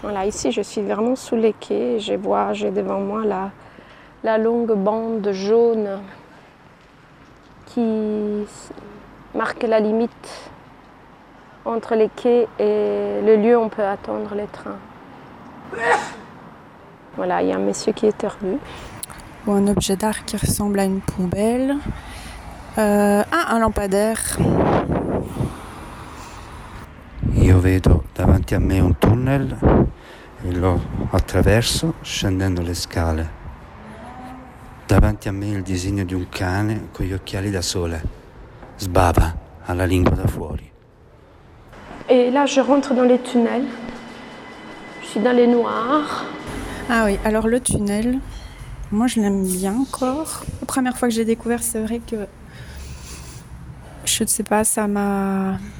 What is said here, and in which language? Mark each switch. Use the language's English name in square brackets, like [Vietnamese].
[French] Voilà, ici, je suis vraiment sous les quais. Je vois, j'ai devant moi la longue bande jaune qui marque la limite entre les quais et le lieu où on peut attendre les trains. Voilà, il y a un monsieur qui est éternu. Ou un objet d'art qui ressemble à une poubelle. Un lampadaire. [Italian] Io vedo davanti a me un tunnel e lo attraverso scendendo le scale. Davanti a me il disegno di un cane con gli occhiali da sole. Sbava, ha la lingua da fuori. [French] E là je rentre dans les tunnels. Je suis dans les noirs. Ah oui, alors le tunnel, moi je l'aime bien encore. La première fois que j'ai découvert, c'est vrai que. Je ne sais pas, ça m'a.